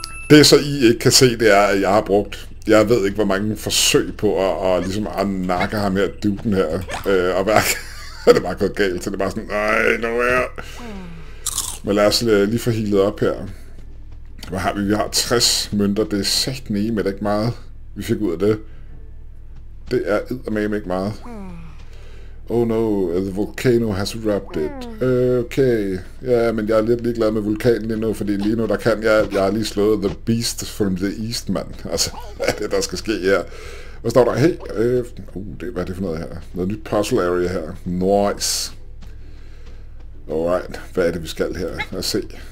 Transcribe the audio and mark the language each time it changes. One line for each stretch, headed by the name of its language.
Danish: Det, så I ikke kan se, det er, at jeg har brugt... Jeg ved ikke, hvor mange forsøg på at ligesom at nakke ham her, duden her. Og hver gang det bare gået galt, så det er bare sådan... Nej, nu er jeg... Men lad os lige få healet op her. Hvad har vi? Vi har 60 mønter. Det er sagt nej, men det er ikke meget, vi fik ud af det. Det er eddermame ikke meget.
English: Oh no, the volcano has erupted. Okay.
Danish: Ja, men jeg er lidt ligeglad med vulkanen lige nu, fordi lige nu der kan jeg... Jeg har lige slået
English: the beast from the east,
Danish: mand. Altså, hvad er det, der skal ske her? Hvad står der? Hey, hvad er det for noget her? Noget nyt puzzle area her. Nice. Alright, hvad er det, vi skal her? Lad os se.